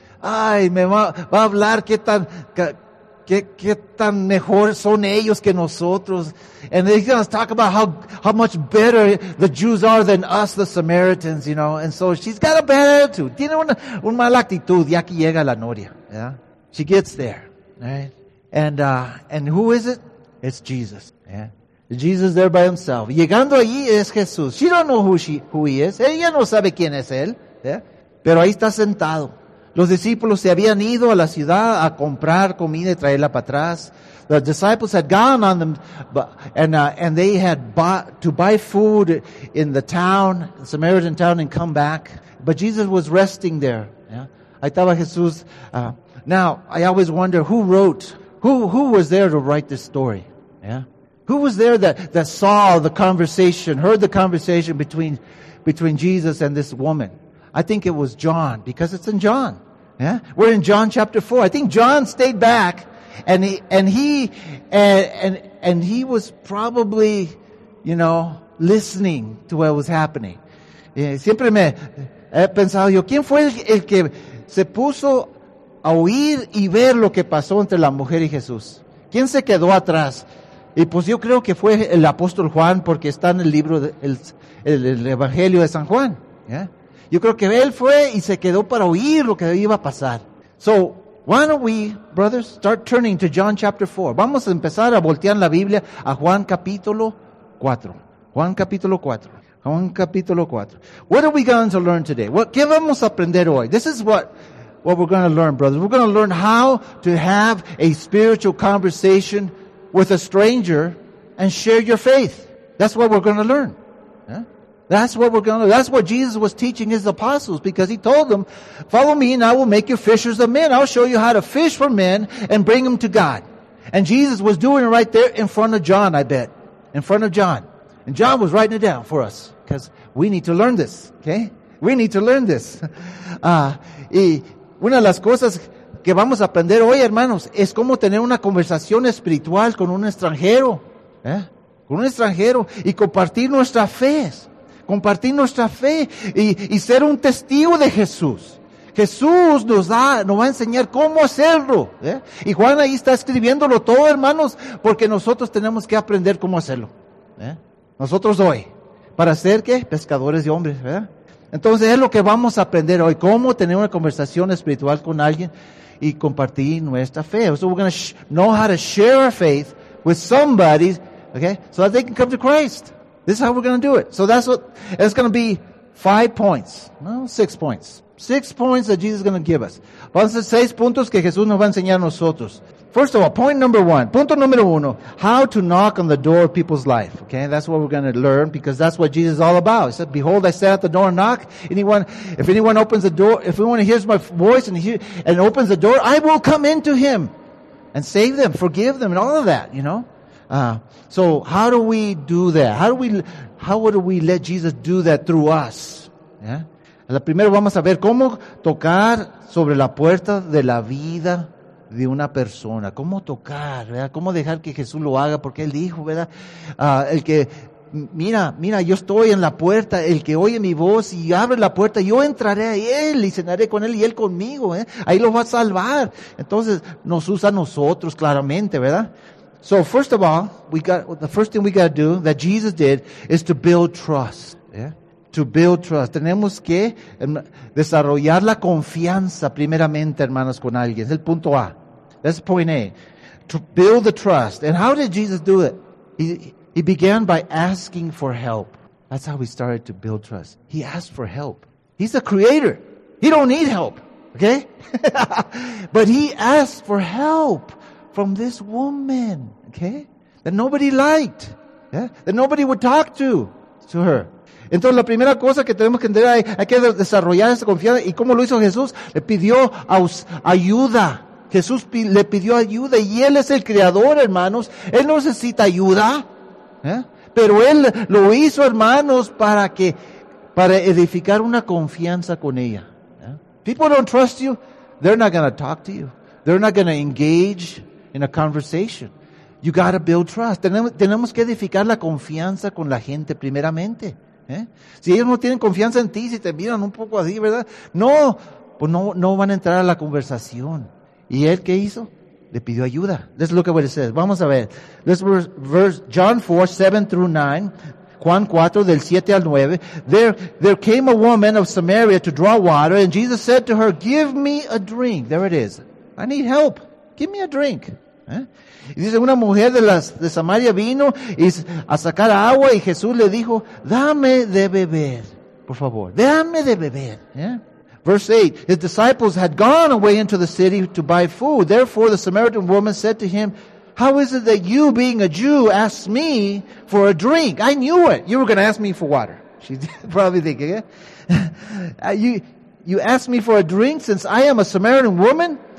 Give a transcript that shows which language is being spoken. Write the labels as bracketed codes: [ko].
[es] Ay, me va a hablar qué tan mejor son ellos que nosotros. [en] And he's going to talk about how much better the Jews are than us, the Samaritans, you know. And so she's got a bad attitude. [es] Tiene una mala actitud. Y aquí llega la noria. [en] Yeah? She gets there. Right? And who is it? It's Jesus. Yeah? Jesus there by himself. [es] Llegando allí es Jesús. [en] She don't know who he is. [es] Ella no sabe quién es él. Yeah? Pero ahí está sentado. Los discípulos se habían ido a la ciudad a comprar comida y traerla para atrás. [en] The disciples had gone on them, and they had to buy food in the town, the Samaritan town, and come back. But Jesus was resting there. [es] Ahí estaba Jesús. [en] Now, I always wonder who was there to write this story? Yeah. Who was there that saw the conversation, heard the conversation between Jesus and this woman? I think it was John, because it's in John. Yeah, we're in John chapter 4. I think John stayed back, and he was probably, you know, listening to what was happening. [es] Siempre me he pensado yo, ¿quién fue el que se puso a oír y ver lo que pasó entre la mujer y Jesús? ¿Quién se quedó atrás? Y pues yo creo que fue el apóstol Juan, porque está en el libro el Evangelio de San Juan. Yeah. Yo creo que él fue y se quedó para oír lo que iba a pasar. [en] So, why don't we, brothers, start turning to John chapter 4. [es] Vamos a empezar a voltear la Biblia a Juan capítulo 4. Juan capítulo 4. Juan capítulo 4. [en] What are we going to learn today? [es] ¿Qué vamos a aprender hoy? [en] This is what we're going to learn, brothers. We're going to learn how to have a spiritual conversation with a stranger and share your faith. That's what we're going to learn. That's what we're going to do. That's what Jesus was teaching his apostles, because he told them, follow me and I will make you fishers of men. I'll show you how to fish for men and bring them to God. And Jesus was doing it right there in front of John, I bet. In front of John. And John was writing it down for us, because we need to learn this, okay? We need to learn this. [es] Y una de las cosas que vamos a aprender hoy, hermanos, es cómo tener una conversación espiritual con un extranjero. ¿Eh? Con un extranjero y compartir nuestra fe. Compartir nuestra fe y ser un testigo de Jesús. Jesús nos va a enseñar cómo hacerlo. ¿Eh? Y Juan ahí está escribiéndolo todo, hermanos, porque nosotros tenemos que aprender cómo hacerlo. ¿Eh? Nosotros hoy. ¿Para ser qué? Pescadores de hombres, ¿verdad? Entonces es lo que vamos a aprender hoy. Cómo tener una conversación espiritual con alguien y compartir nuestra fe. [en] So we're going to know how to share our faith with somebody Okay? So that they can come to Christ. This is how we're going to do it. So that's what, it's going to be 5 points. No, 6 points. 6 points that Jesus is going to give us. [es] Van a ser 6 puntos que Jesús nos va a enseñar a nosotros. [en] First of all, point number one. [es] Punto número uno. [en] How to knock on the door of people's life. Okay? That's what we're going to learn because that's what Jesus is all about. He said, behold, I stand at the door and knock. If anyone opens the door, if anyone hears my voice and opens the door, I will come into him and save them, forgive them, and all of that, you know? So how do we do that? How would we let Jesus do that through us? Yeah? [es] La primero vamos a ver cómo tocar sobre la puerta de la vida de una persona. Cómo tocar, ¿verdad? Cómo dejar que Jesús lo haga, porque Él dijo, ¿verdad? El que, mira, yo estoy en la puerta, el que oye mi voz y abre la puerta, yo entraré a Él y cenaré con Él y Él conmigo, ¿eh? Ahí lo va a salvar. Entonces, nos usa a nosotros claramente, ¿verdad? [en] So, first of all, the first thing we got to do that Jesus did is to build trust, ¿eh? To build trust. [es] Tenemos que desarrollar la confianza primeramente, hermanos, con alguien. Es el punto A. [en] That's point A. To build the trust. And how did Jesus do it? He began by asking for help. That's how we started to build trust. He asked for help. He's the creator. He don't need help. Okay? But he asked for help from this woman. Okay? That nobody liked. Yeah? That nobody would talk to her. [es] Entonces, la primera cosa que tenemos que entender, hay que desarrollar esa confianza. ¿Y cómo lo hizo Jesús? Le pidió ayuda. Jesús le pidió ayuda y Él es el Creador, hermanos. Él no necesita ayuda. ¿Eh? Pero Él lo hizo, hermanos, para edificar una confianza con ella. ¿Eh? [en] People don't trust you, they're not going to talk to you. They're not going to engage in a conversation. You got to build trust. [es] Tenemos que edificar la confianza con la gente primeramente. ¿Eh? Si ellos no tienen confianza en ti, si te miran un poco así, ¿verdad? No, pues no van a entrar a la conversación. ¿Y Él qué hizo? Le pidió ayuda. [en] Let's look at what it says. [es] Vamos a ver. [en] Let's verse John 4, 7 through 9. [es] Juan 4, del 7 al 9. [en] There came a woman of Samaria to draw water, and Jesus said to her, give me a drink. There it is. I need help. Give me a drink. [es] ¿Eh? Y dice, una mujer de Samaria vino y a sacar agua y Jesús le dijo, dame de beber, por favor, dame de beber. [en] ¿Eh? Verse 8, his disciples had gone away into the city to buy food. Therefore the Samaritan woman said to him, how is it that you being a Jew ask me for a drink? I knew it. You were going to ask me for water. She's probably thinking, ¿eh? You asked me for a drink since I am a Samaritan woman?